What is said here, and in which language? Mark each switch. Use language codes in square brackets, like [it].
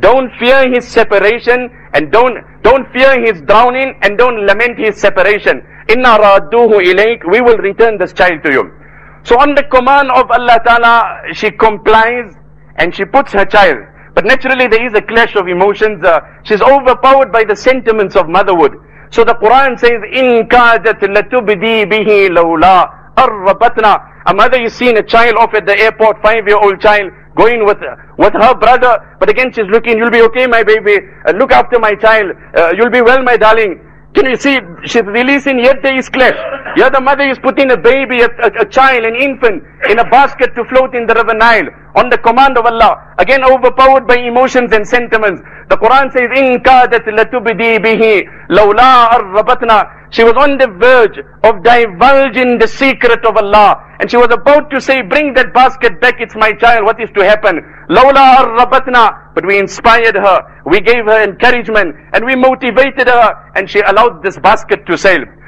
[en] Don't fear his separation, and don't fear his drowning, and don't lament his separation. [ar] إِنَّا رَادُّوهُ إِلَيْكَ. [en] We will return this child to you. So on the command of Allah Ta'ala, she complies and she puts her child. But naturally there is a clash of emotions. She's overpowered by the sentiments of motherhood. So the Quran says, [ar] إِنْ كَادَتْ لَتُبْدِي بِهِ لَوْلَا أَرَّبَتْنَا. [en] A mother is seeing a child off at the airport, 5-year-old child, going with her brother. But again she's looking, you'll be okay my baby, look after my child, you'll be well my darling. Can you see, she's releasing, yet there is clash. Here the mother is putting a baby, a child, an infant, in a basket to float in the river Nile, on the command of Allah. Again overpowered by emotions and sentiments. The Quran says, [ar] إِنْ كَادَتْ لَتُبْدِي بِهِ لَوْلَا أَرَّبَتْنَا. [en] She was on the verge of divulging the secret of Allah. And she was about to say, bring that basket back, it's my child, what is to happen? [ar] لَوْلَا أَرَّبَتْنَا. [en] But we inspired her, we gave her encouragement, and we motivated her, and she allowed this basket to sail.